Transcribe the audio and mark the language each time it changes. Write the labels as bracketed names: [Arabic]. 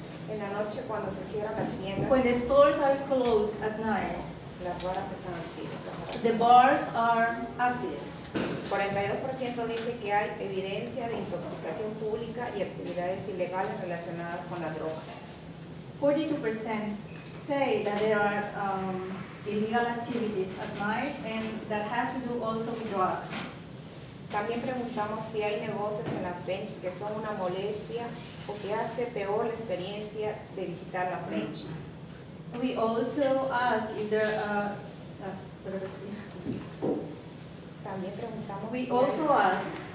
[Spanish] en la noche cuando se cierran las tiendas. [English] When the stores are closed at night. [Spanish] Las barras están activas. [English] The bars are active. [Spanish] 42% dice que hay evidencia de intoxicación pública y actividades ilegales relacionadas con la droga. [English] 42% say that there are illegal activities at night and that has to do also with drugs. [Spanish] También preguntamos si hay negocios en la French que son una molestia o que hace peor la experiencia de visitar la French. [English] We also ask if there [Spanish] También preguntamos we si, also hay, ask